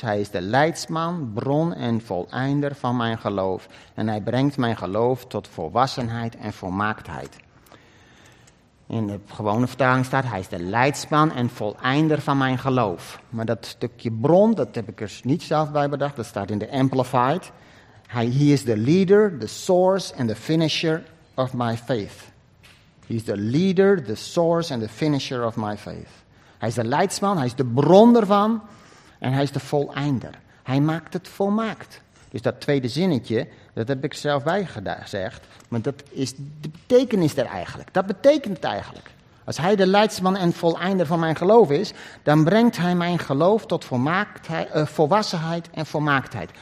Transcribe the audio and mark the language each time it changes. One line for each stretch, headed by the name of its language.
Dutch: Hij is de leidsman, bron en voleinder van mijn geloof. En hij brengt mijn geloof tot volwassenheid en volmaaktheid. In de gewone vertaling staat, hij is de leidsman en voleinder van mijn geloof. Maar dat stukje bron, dat heb ik er niet zelf bij bedacht, dat staat in de Amplified.
English: He is the leader, the source and the finisher of my faith. He is the leader, the source and the finisher of my faith.
Dutch: Hij is de leidsman, hij is de bron ervan en hij is de voleinder. Hij maakt het volmaakt. Dus dat tweede zinnetje, dat heb ik zelf bijgezegd, maar dat is de betekenis er eigenlijk. Dat betekent het eigenlijk. Als hij de leidsman en voleinder van mijn geloof is, dan brengt hij mijn geloof tot volwassenheid en volmaaktheid.